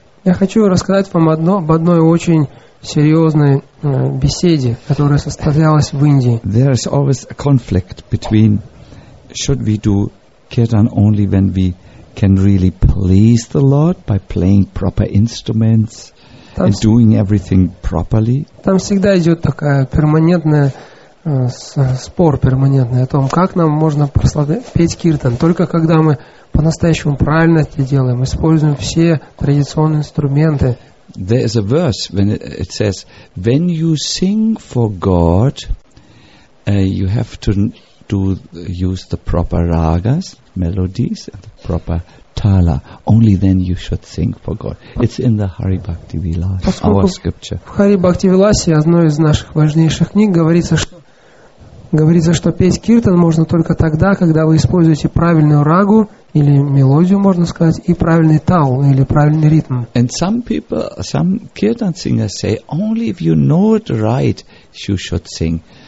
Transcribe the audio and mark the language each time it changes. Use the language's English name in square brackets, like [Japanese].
[Russian] Я хочу рассказать вам об одной очень серьезной беседе, которая состоялась в Индии. [English] There is always a conflict between should we do kirtan only when we can really please the Lord by playing proper instruments and doing everything properly. [Russian] Там всегда идет такая перманентная спор перманентный о том, как нам можно петь киртан только когда мы по-настоящему правильно это делаем, используем все традиционные инструменты. [English] There is a verse when it says, when you sing for God, you have to use the proper ragas, melodies, and the proper tala. Only then you should sing for God. It's in the Hari Bhakti Vilas, our scripture. [Russian] В Хари Бхакти Виласе, одной из наших важнейших книг, говорится, что петь киртан можно только тогда, когда вы используете правильную рагу или мелодию, можно сказать, и правильный тал или правильный ритм. [English] And some people, some kirtan singers say, only if you know it right, you should sing.